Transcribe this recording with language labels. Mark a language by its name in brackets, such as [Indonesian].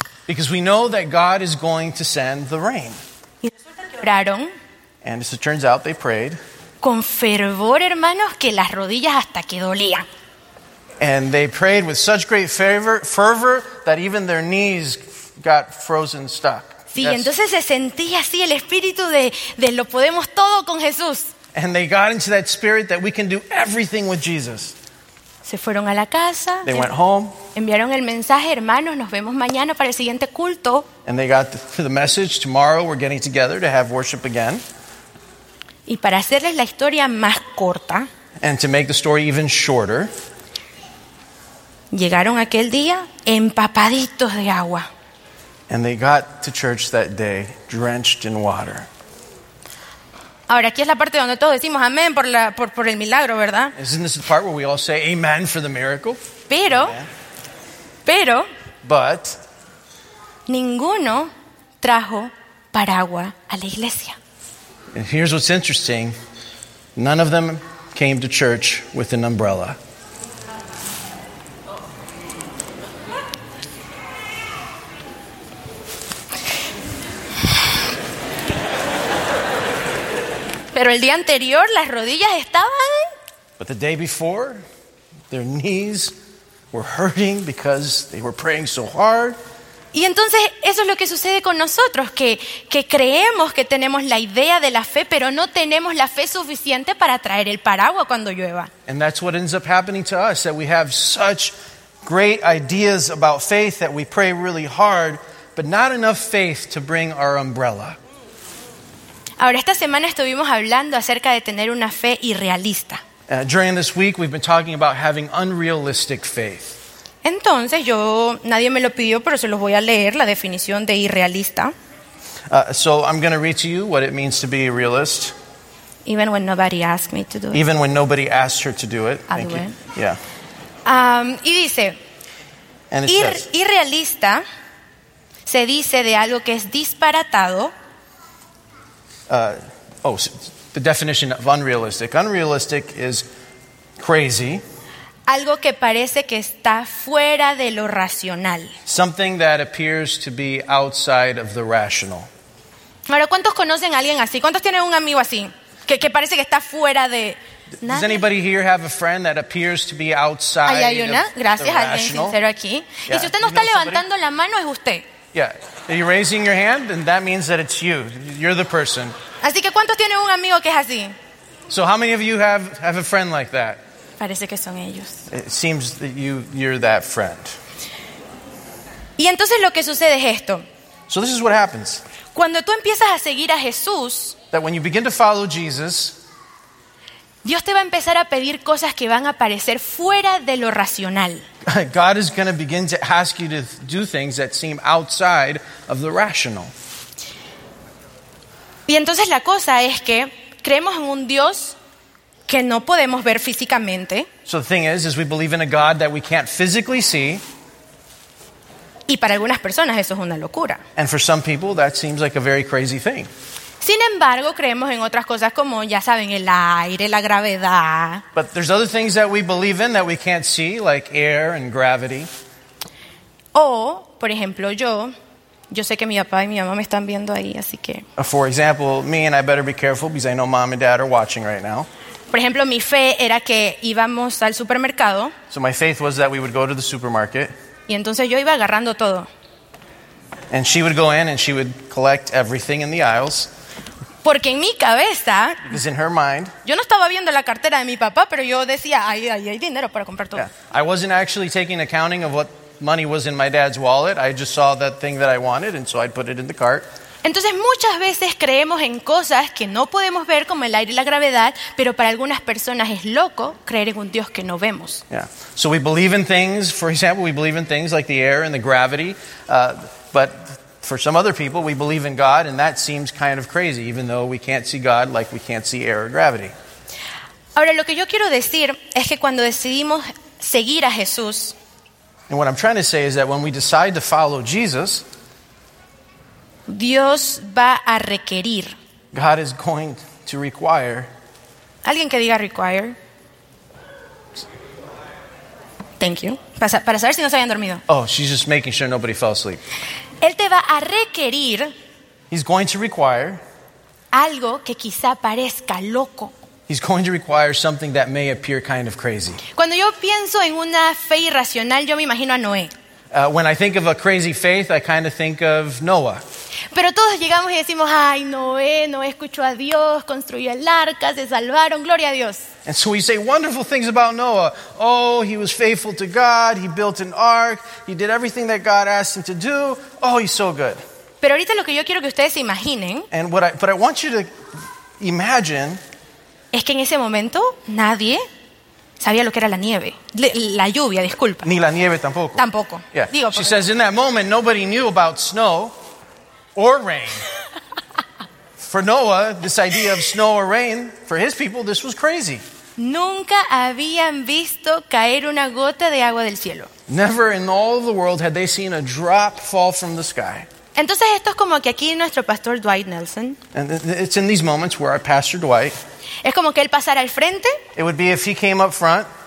[English] Because we know that God is going to send the rain. [Spanish] Y oraron. [English] And as it turns out, they prayed. [Spanish] Con fervor, hermanos, que las rodillas hasta que dolían. [English] And they prayed with such great fervor that even their knees got frozen stuck. [Spanish] Sí, [English] yes. [Spanish] Entonces se sentía así el espíritu de lo podemos todo con Jesús. [English] And they got into that spirit that we can do everything with Jesus. [Spanish] Se fueron a la casa. [English] They went home. [Spanish] Enviaron el mensaje, hermanos, nos vemos mañana para el siguiente culto. [English] And they got the message, tomorrow we're getting together to have worship again. [Spanish] Y para hacerles la historia más corta. [English] And to make the story even shorter. [Spanish] Llegaron aquel día empapaditos de agua. [English] And they got to church that day drenched in water. [Spanish] Ahora aquí es la parte donde todos decimos amén por el milagro, ¿verdad? [English] Isn't this the part where we all say amen for the miracle? [Spanish] Pero, Amen. Pero, [English] but, [Spanish] ninguno trajo paraguas a la iglesia. [English] And here's what's interesting: none of them came to church with an umbrella. [Spanish] Pero el día anterior las rodillas estaban. [English] But the day before, their knees were hurting because they were praying so hard. [Spanish] Y entonces eso es lo que sucede con nosotros, que creemos que tenemos la idea de la fe, pero no tenemos la fe suficiente para traer el paraguas cuando llueva. [English] And that's what ends up happening to us, that we have such great ideas about faith that we pray really hard, but not enough faith to bring our umbrella. [Spanish] Ahora esta semana estuvimos hablando acerca de tener una fe irrealista. [English] During this week we've been talking about having unrealistic faith. [Spanish] Entonces yo, nadie me lo pidió, pero se los voy a leer la definición de irrealista. [English] So I'm going to read to you what it means to be a realist. Even when nobody asked me to do it. Even when nobody asked her to do it. Thank you. Yeah. [Spanish] Y dice, irrealista se dice de algo que es disparatado. [English] The definition of unrealistic. Unrealistic is crazy. [Spanish] Algo que parece que está fuera de lo racional. [English] Something that appears to be outside of the rational. [Spanish] Ahora, ¿cuántos conocen a alguien así? ¿Cuántos tienen un amigo así? Que parece que está fuera de... [English] Does anybody here have a friend that appears to be outside of the rational? [Spanish] Ahí hay una. Gracias, alguien sincero aquí. [English] Yeah. [Spanish] Y si usted no está levantando la mano, es usted. [English] Yeah. Are you raising your hand? Then that means that it's you. You're the person. [Spanish] Así que ¿cuántos tienen un amigo que es así? [English] So how many of you have a friend like that? [Spanish] Parece que son ellos. [English] It seems that you're that friend. [Spanish] Y entonces lo que sucede es esto. [English] So this is what happens. [Spanish] Cuando tú empiezas a seguir a Jesús, [English] that when you begin to follow Jesus, [Spanish] Dios te va a empezar a pedir cosas que van a parecer fuera de lo racional. [English] God is going to begin to ask you to do things that seem outside of the rational. [Spanish] Y entonces la cosa es que creemos en un Dios que no podemos ver físicamente. [English] So the thing is we believe in a God that we can't physically see. [Spanish] Y para algunas personas eso es una locura. [English] And for some people that seems like a very crazy thing. [Spanish] Sin embargo, creemos en otras cosas como, ya saben, el aire, la gravedad. [English] But there's other things that we believe in that we can't see, like air and gravity. [Spanish] O, por ejemplo, yo sé que mi papá y mi mamá me están viendo ahí, así que... [English] For example, me and I better be careful because I know mom and dad are watching right now. [Spanish] Por ejemplo, mi fe era que íbamos al supermercado. [English] So my faith was that we would go to the supermarket. [Spanish] Y entonces yo iba agarrando todo. [English] And she would go in and she would collect everything in the aisles. [Spanish] Porque en mi cabeza, [English] because in her mind, [Spanish] yo no estaba viendo la cartera de mi papá, pero yo decía, ahí hay dinero para comprar todo. [English] Yeah. I wasn't actually taking accounting of what money was in my dad's wallet. I just saw that thing that I wanted, and so I put it in the cart. [Spanish] Entonces muchas veces creemos en cosas que no podemos ver, como el aire y la gravedad, pero para algunas personas es loco creer en un Dios que no vemos. [English] Yeah. So we believe in things, for example, we believe in things like the air and the gravity, but for some other people, we believe in God, and that seems kind of crazy, even though we can't see God like we can't see air or gravity. [Spanish] Ahora, lo que yo quiero decir es que cuando decidimos seguir a Jesús, [English] and what I'm trying to say is that when we decide to follow Jesus, [Spanish] Dios va a requerir. [English] God is going to require. [Spanish] Alguien que diga require. [English] Thank you. [Spanish] Para saber si no se habían dormido. [English] Oh, she's just making sure nobody fell asleep. [Spanish] Él te va a requerir. [English] He's going to require. [Spanish] Algo que quizá parezca loco. [English] He's going to require something that may appear kind of crazy. [Spanish] Cuando yo pienso en una fe irracional, yo me imagino a Noé. [English] When I think of a crazy faith, I kind of think of Noah. [Spanish] Pero todos llegamos y decimos, ay, Noé escuchó a Dios, construyó el arca, se salvaron, gloria a Dios. [English] And so we say wonderful things about Noah. Oh, he was faithful to God, he built an ark, he did everything that God asked him to do. Oh, he's so good. [Spanish] Pero ahorita lo que yo quiero que ustedes se imaginen, [English] and what I want you to imagine, [Spanish] es que en ese momento nadie sabía lo que era la nieve, la lluvia, disculpa. Ni la nieve tampoco. Tampoco. [English] Yeah. Digo, she says in that moment nobody knew about snow or rain. For Noah, this idea of snow or rain, for his people this was crazy. [Spanish] Nunca habían visto caer una gota de agua del cielo. [English] Never in all the world had they seen a drop fall from the sky. [Spanish] Entonces esto es como que aquí nuestro pastor Dwight Nelson. [English] And it's in these moments where our pastor Dwight. [Spanish] Es como que él pasara al frente. [English] It would be if he came up front.